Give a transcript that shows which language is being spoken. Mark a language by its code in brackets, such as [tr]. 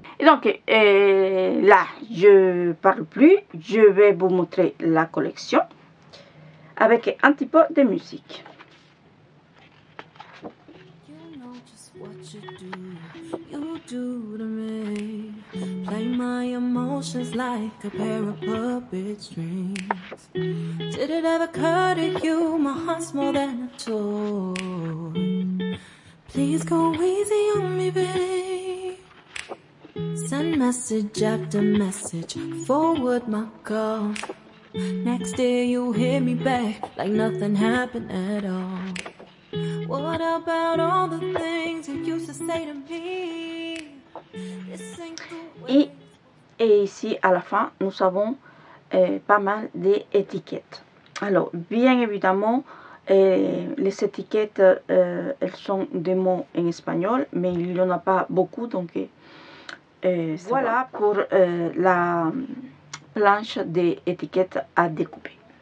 [fr] Et donc là, je parle plus, je vais vous montrer la collection avec un petit peu de musique. [en] You know just what you do to me. Play my emotions like a pair of puppet strings. Did it ever occur to you, my heart's more than a toy. Please go easy on me, baby. Send message after message, forward my call. Next day you hear me back like nothing happened at all. What about all the things you used to say to me? [fr] Et ici à la fin, nous avons pas mal d'étiquettes. Alors, bien évidemment, les étiquettes elles sont des mots en espagnol, mais il n'y en a pas beaucoup donc. Voilà pour la planche d'étiquettes à découper.